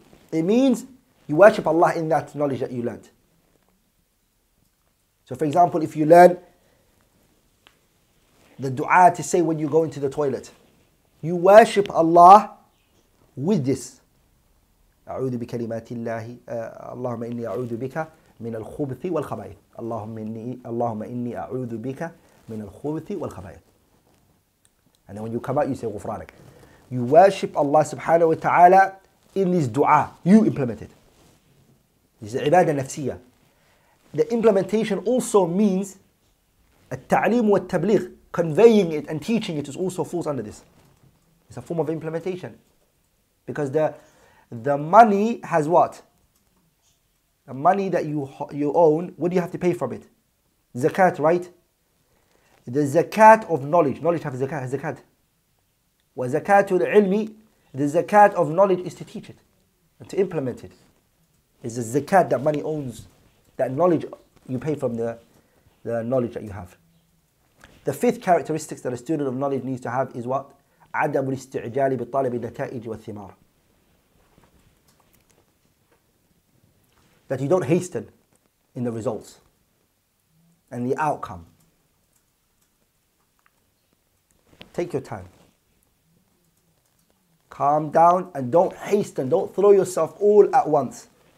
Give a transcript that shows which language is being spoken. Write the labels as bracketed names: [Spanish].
[English] It means you worship Allah in that knowledge that you learned. So for example, if you learn the dua to say when you go into the toilet, you worship Allah with this. [Arabic] أعوذ بكلمات الله اللهم إني أعوذ بك من الخبث والخبائث اللهم إني أعوذ بك من الخبث والخبائث. [English] And then when you come out, you say غفرانك. You worship Allah subhanahu wa ta'ala in this dua. You implement it. This is [Arabic] عبادة نفسية. [English] The implementation also means [Arabic] التعليم والتبليغ. [English] Conveying it and teaching it is also falls under this. It's a form of implementation. Because the money has what? The money that you own, what do you have to pay from it? Zakat, right? The zakat of knowledge. Knowledge have zakat. [Arabic] Wa zakatul ilmi, [English] the zakat of knowledge is to teach it and to implement it. It's the zakat that money owns, that knowledge you pay from the knowledge that you have. The fifth characteristics that a student of knowledge needs to have is what? [Arabic] عدم الاستعجال بطلب النتائج والثمار. [English] That you don't hasten in the results and the outcome. Take your time. Calm down and don't hasten. Don't throw yourself all at once.